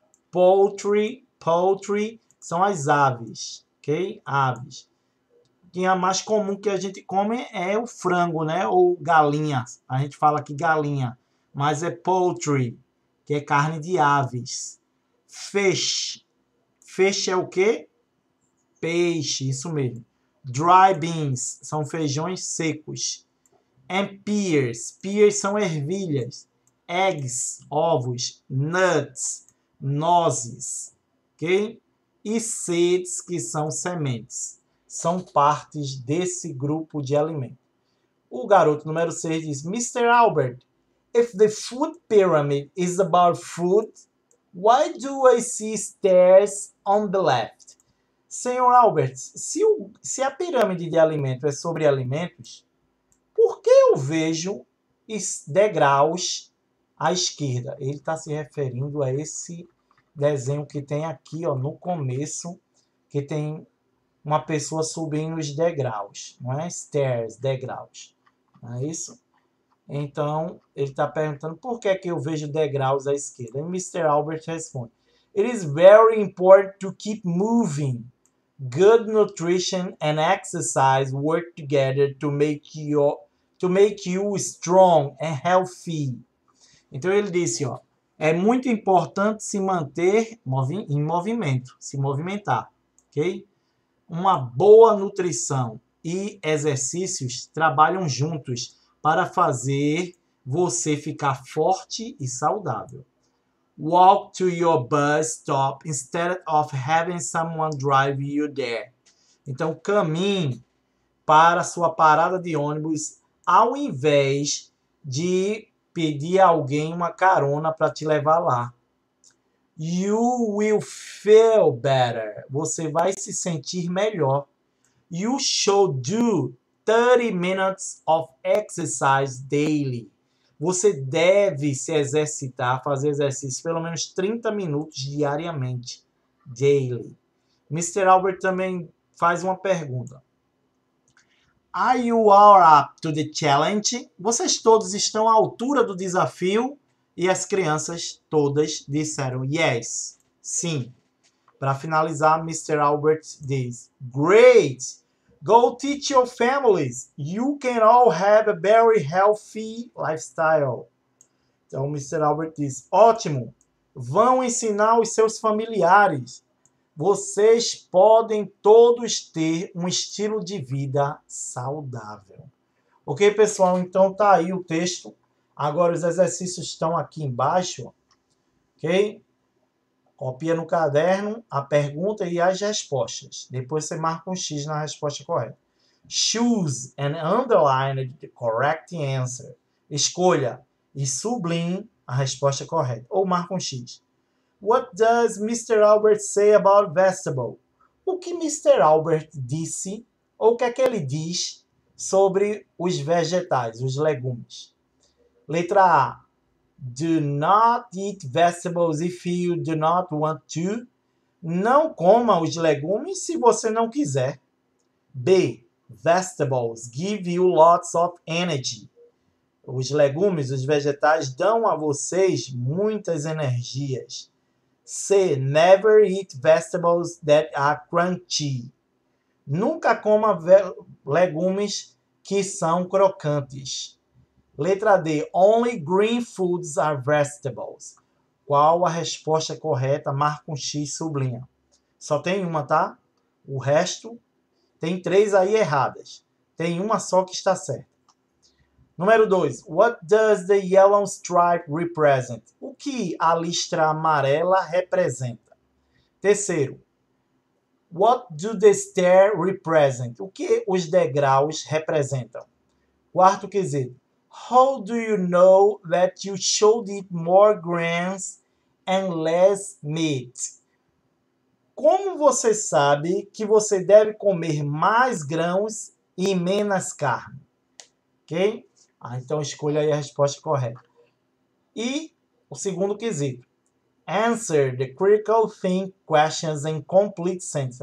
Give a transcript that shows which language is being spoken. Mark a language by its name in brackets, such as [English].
[Portuguese] Poultry, poultry são as aves, ok? Aves. O que é mais comum que a gente come é o frango, né? Ou galinha. A gente fala aqui galinha, mas é poultry, que é carne de aves. Fish. Fish é o quê? Peixe, isso mesmo. Dry beans são feijões secos. [English] And pears. [Portuguese] Pears são ervilhas. Eggs, ovos. Nuts. Nozes, ok? E seeds, que são sementes, são partes desse grupo de alimentos. O garoto número 6 diz: Mr. [English] Albert, if the food pyramid is about food, why do I see stairs on the left? [Portuguese] Senhor Albert, se a pirâmide de alimentos é sobre alimentos, por que eu vejo degraus à esquerda? Ele está se referindo a esse desenho que tem aqui, ó, no começo, que tem uma pessoa subindo os degraus, não é? Stairs, degraus, não é isso? Então, ele está perguntando por que é que eu vejo degraus à esquerda. E Mr. [English] Albert [Portuguese] responde: [English] It is very important to keep moving. Good nutrition and exercise work together to make you strong and healthy. [Portuguese] Então, ele disse, ó, é muito importante se manter em movimento, se movimentar, ok? Uma boa nutrição e exercícios trabalham juntos para fazer você ficar forte e saudável. [English] Walk to your bus stop instead of having someone drive you there. [Portuguese] Então, caminhe para sua parada de ônibus ao invés de pedir a alguém uma carona para te levar lá. [English] You will feel better. [Portuguese] Você vai se sentir melhor. [English] You should do 30 minutes of exercise daily. [Portuguese] Você deve se exercitar, fazer exercício pelo menos 30 minutos diariamente. Daily. Mr. Albert também faz uma pergunta. [English] Are you all up to the challenge? [Portuguese] Vocês todos estão à altura do desafio? E as crianças todas disseram yes. Sim. Para finalizar, Mr. Albert diz: Great! [English] Go teach your families. You can all have a very healthy lifestyle. [Portuguese] Então, Mr. Albert diz: Ótimo! Vão ensinar os seus familiares. Vocês podem todos ter um estilo de vida saudável. Ok, pessoal? Então tá aí o texto. Agora os exercícios estão aqui embaixo. Ok? Copia no caderno a pergunta e as respostas. Depois você marca um X na resposta correta. [English] Choose and underline the correct answer. [Portuguese] Escolha e sublinhe a resposta correta. Ou marca um X. [English] What does Mr. Albert say about vegetable? [Portuguese] O que Mr. Albert disse, ou o que é que ele diz sobre os vegetais, os legumes? Letra A. [English] Do not eat vegetables if you do not want to. [Portuguese] Não coma os legumes se você não quiser. B. [English] Vegetables give you lots of energy. [Portuguese] Os legumes, os vegetais, dão a vocês muitas energias. C. [English] Never eat vegetables that are crunchy. [Portuguese] Nunca coma legumes que são crocantes. Letra D. [English] Only green foods are vegetables. [Portuguese] Qual a resposta correta? Marca um X sublinha. Só tem uma, tá? O resto tem três aí erradas. Tem uma só que está certa. Número 2. [English] What does the yellow stripe represent? [Portuguese] O que a listra amarela representa? Terceiro. [English] What do the stairs represent? [Portuguese] O que os degraus representam? Quarto quesito. [English] How do you know that you should eat more grains and less meat? [Portuguese] Como você sabe que você deve comer mais grãos e menos carne? Ok? Ah, então escolha aí a resposta correta. E o segundo quesito. [English] Answer the critical thinking questions in complete sentence.